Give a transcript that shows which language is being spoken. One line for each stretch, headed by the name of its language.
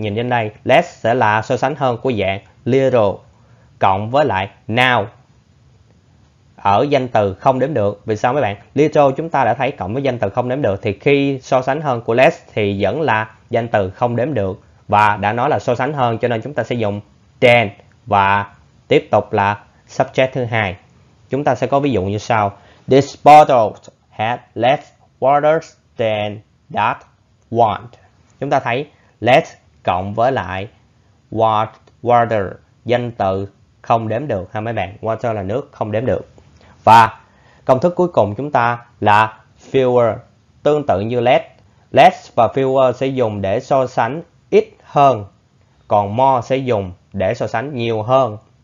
Vietnamese: Nhìn trên đây, less sẽ là so sánh hơn của dạng little cộng với lại now ở danh từ không đếm được. Vì sao mấy bạn? Little chúng ta đã thấy cộng với danh từ không đếm được thì khi so sánh hơn của less thì vẫn là danh từ không đếm được. Và đã nói là so sánh hơn cho nên chúng ta sẽ dùng than và tiếp tục là subject thứ hai. Chúng ta sẽ có ví dụ như sau.
English: This bottle had less water than that one.
Vietnamese: Chúng ta thấy less cộng với lại water, danh từ không đếm được ha mấy bạn. Water là nước, không đếm được. Và công thức cuối cùng chúng ta là fewer, tương tự như less. Less và fewer sẽ dùng để so sánh ít hơn, còn more sẽ dùng để so sánh nhiều hơn.